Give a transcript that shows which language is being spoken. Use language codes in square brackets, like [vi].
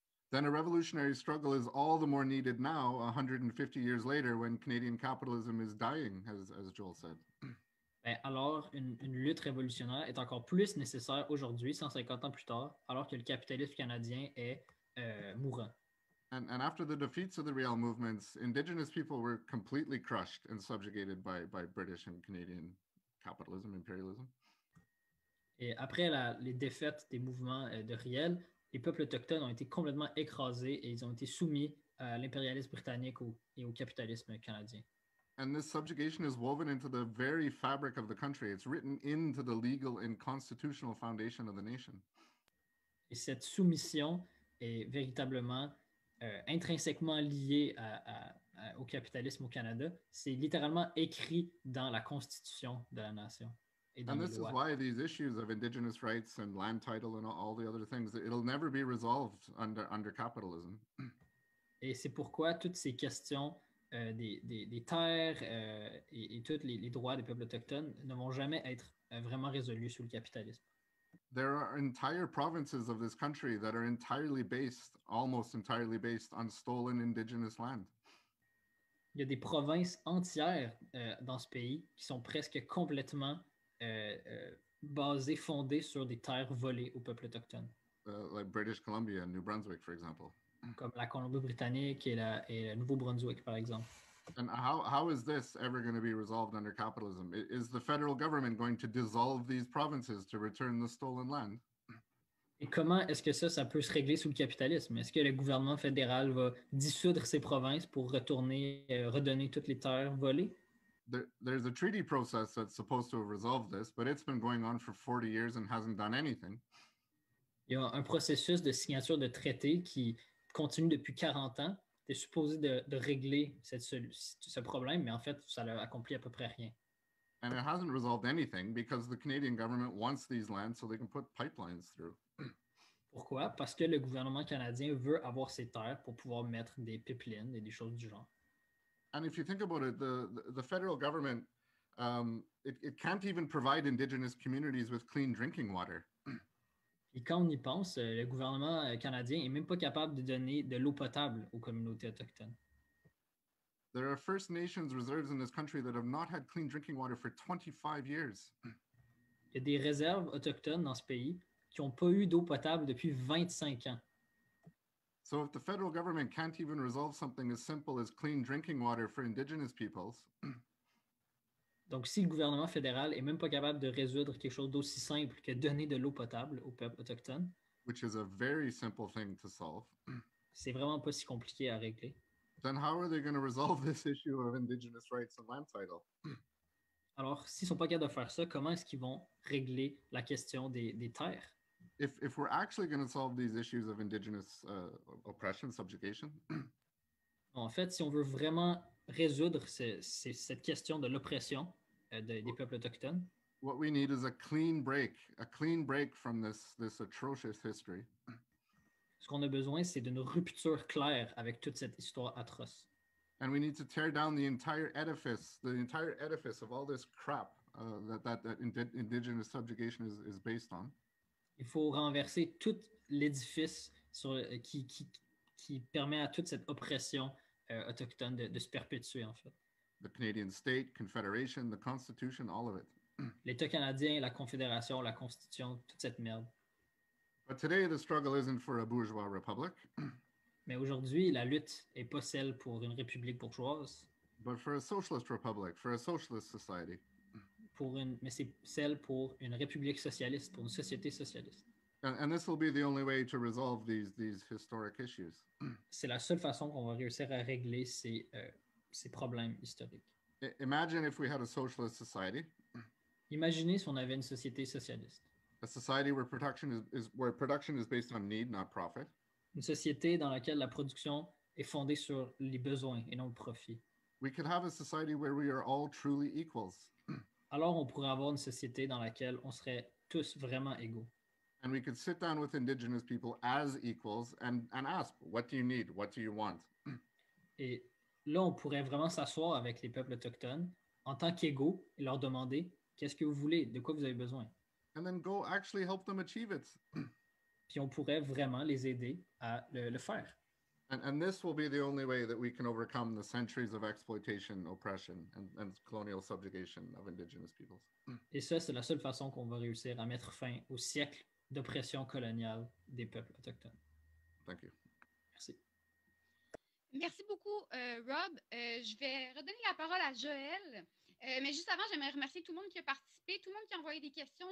[en] Then a revolutionary struggle is all the more needed now, 150 years later, when Canadian capitalism is dying, as Joel said. [fr] Alors, une lutte révolutionnaire est encore plus nécessaire aujourd'hui, 150 ans plus tard, alors que le capitalisme canadien est mourant. [en] And after the defeats of the Riel movements, indigenous people were completely crushed and subjugated by British and Canadian capitalism, imperialism. [fr] Et après les défaites des mouvements de Riel, les peuples autochtones ont été complètement écrasés et ils ont été soumis à l'impérialisme britannique et au capitalisme canadien. [en] And this subjugation is woven into the very fabric of the country. It's written into the legal and constitutional foundation of the nation. [fr] Et cette soumission est véritablement intrinsèquement liée au capitalisme au Canada. C'est littéralement écrit dans la constitution de la nation. [en] And this is why these issues of indigenous rights and land title and all the other things, it'll never be resolved under capitalism. [fr] Et c'est pourquoi toutes ces questions des terres et tous les droits des peuples autochtones ne vont jamais être vraiment résolus sous le capitalisme. [en] There are entire provinces of this country that are entirely based, almost entirely based on stolen indigenous land. [fr] Il y a des provinces entières dans ce pays qui sont presque complètement basées, fondées sur des terres volées aux peuples autochtones. [en] Like British Columbia and New Brunswick, for example. [fr] Comme la Colombie-Britannique et le Nouveau-Brunswick, par exemple. [en] And how is this ever going to be resolved under capitalism? Is the federal government going to dissolve these provinces to return the stolen land? [fr] Et comment est-ce que ça peut se régler sous le capitalisme? Est-ce que le gouvernement fédéral va dissoudre ses provinces pour redonner toutes les terres volées? [en] There's a treaty process that's supposed to have resolved this, but it's been going on for 40 years and hasn't done anything. [fr] Il y a un processus de signature de traité qui continue depuis 40 ans, tu es supposé de régler ce problème, mais en fait, ça n'a accompli à peu près rien. [en] And it hasn't resolved anything because the Canadian government wants these lands so they can put pipelines through. [fr] Pourquoi? Parce que le gouvernement canadien veut avoir ces terres pour pouvoir mettre des pipelines et des choses du genre. [en] And if you think about it, the federal government, it can't even provide indigenous communities with clean drinking water. [fr] Et quand on y pense, le gouvernement canadien n'est même pas capable de donner de l'eau potable aux communautés autochtones. [en] There are First Nations reserves in this country that have not had clean drinking water for 25 years. [fr] Il y a des réserves autochtones dans ce pays qui n'ont pas eu d'eau potable depuis 25 ans. [en] So if the federal government can't even resolve something as simple as clean drinking water for indigenous peoples. [fr] Donc si le gouvernement fédéral est même pas capable de résoudre quelque chose d'aussi simple que donner de l'eau potable aux peuples autochtones. [en] Which is a very simple thing to solve. [fr] C'est vraiment pas si compliqué à régler. [en] Then how are they going to resolve this issue of indigenous rights and land title? [fr] Alors, s'ils sont pas capables de faire ça, comment est-ce qu'ils vont régler la question des terres? [en] If we're actually going to solve these issues of indigenous oppression, subjugation. [fr] En fait, si on veut vraiment résoudre cette question de l'oppression des peuples autochtones. [en] What we need is a clean break from this atrocious history. [fr] Ce qu'on a besoin, c'est d'une rupture claire avec toute cette histoire atroce. [en] And we need to tear down the entire edifice of all this crap that indigenous subjugation is based on. [fr] Il faut renverser tout l'édifice qui permet à toute cette oppression autochtone de se perpétuer, en fait. [en] The Canadian state, confederation, the constitution, all of it. [fr] L'État canadien, la confédération, la constitution, toute cette merde. [en] But today the struggle isn't for a bourgeois republic. [fr] Mais aujourd'hui, la lutte est pas celle pour une république bourgeoise. [en] But for a socialist republic, for a socialist society. [fr] Mais c'est celle pour une république socialiste, pour une société socialiste. [en] And this will be the only way to resolve these historic issues. [fr] C'est la seule façon qu'on va réussir à régler ces problèmes historiques. [en] Imagine if we had a socialist society. [fr] Imaginez si on avait une société socialiste. [en] A society where production is based on need, not profit. [fr] Une société dans laquelle la production est fondée sur les besoins et non le profit. [en] We could have a society where we are all truly equals. [fr] Alors on pourrait avoir une société dans laquelle on serait tous vraiment égaux. [en] And we could sit down with indigenous people as equals and ask, what do you need? What do you want? [fr] Et là on pourrait vraiment s'asseoir avec les peuples autochtones en tant qu'égaux et leur demander, qu'est-ce que vous voulez? De quoi vous avez besoin? [en] And then go actually help them achieve it. [fr] Puis on pourrait vraiment les aider à le faire. [en] And this will be the only way that we can overcome the centuries of exploitation, oppression, and colonial subjugation of indigenous peoples. [fr] Et ça, c'est la seule façon qu'on va réussir à mettre fin au siècle d'oppression coloniale des peuples autochtones. [en] Thank you. [fr] Merci. Merci beaucoup, Rob. Je vais redonner la parole à Joël. Mais juste avant, j'aimerais remercier tout le monde qui a participé, tout le monde qui a envoyé des questions.